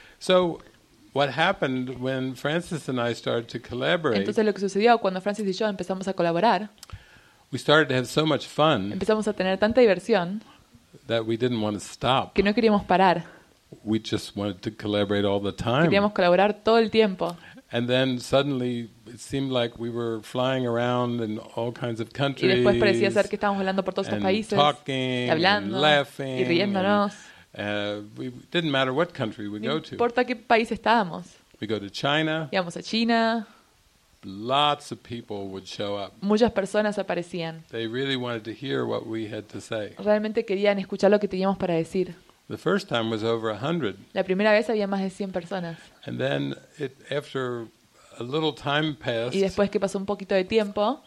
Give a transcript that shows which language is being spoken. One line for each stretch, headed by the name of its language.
English: So what happened when Francis and I started to collaborate?
Spanish: Entonces lo que sucedió cuando Francis y yo empezamos a colaborar.
English: We started to have so much fun.
Spanish: Empezamos a tener tanta diversión.
English: That we didn't want to stop.
Spanish: Que no queríamos parar.
English: We just wanted to collaborate all the time.
Spanish: Queríamos colaborar todo el tiempo.
English: And then suddenly it seemed like we were flying around in all kinds of countries.
Spanish: Y después parecía ser que estábamos volando por todos estos países.
English: Talking,
Spanish: y hablando,
English: and laughing,
Spanish: y riéndonos.
English: We didn't matter what country we go to.
Spanish: No importa qué país estábamos.
English: We go to China.
Spanish: Íbamos a China.
English: Lots of people would show up.
Spanish: Muchas personas aparecían.
English: They really wanted to hear what we had to say.
Spanish: Realmente querían escuchar lo que teníamos para decir.
English: The first time was over 100.
Spanish: La primera vez había más de 100 personas.
English: And then after a little time passed.
Spanish: Y después que pasó un poquito de tiempo.